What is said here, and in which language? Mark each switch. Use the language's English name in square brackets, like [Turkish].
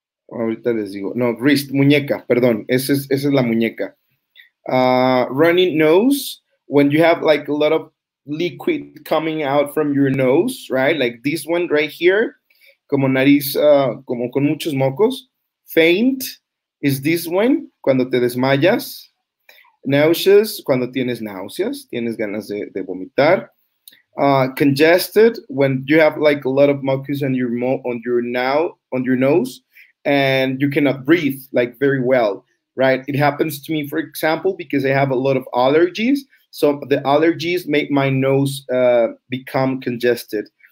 [Spanish] Ahorita les digo, no, wrist, muñeca, perdón, esa es la muñeca. [English] Running nose, when you have like a lot of liquid coming out from your nose, right? Like this one right here, [Spanish] como nariz, como con muchos mocos. [English] Faint is this one, [Spanish] cuando te desmayas. Nauseous, cuando tienes náuseas, tienes ganas de vomitar. [English] Congested, when you have like a lot of mucus on your nose, and you cannot breathe like very well, right? It happens to me, for example, because I have a lot of allergies. So the allergies make my nose become congested.